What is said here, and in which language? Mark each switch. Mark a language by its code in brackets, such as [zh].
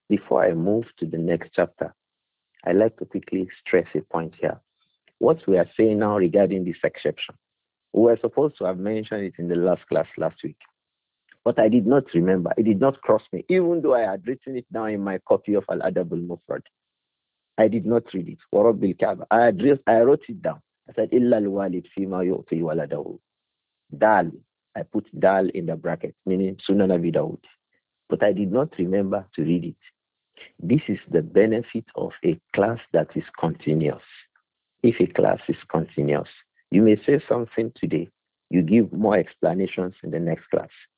[en] Before I move to the next chapter, I'd like to quickly stress a point here. What we are saying now regarding this exception, we were supposed to have mentioned it in the last class last week, but I did not remember. It did not cross me, even though I had written it down in my copy of Al-Adab al-Mufrad. I did not read it. I wrote it down. I said, [ar] إِلَّا الْوَالِدْ فِيمَا يُعْطِي وَلَدَهُ. [en] Dal. I put dal in the bracket, meaning Sunan Abi Dawud. But I did not remember to read it. This is the benefit of a class that is continuous. If a class is continuous, you may say something today, you give more explanations in the next class.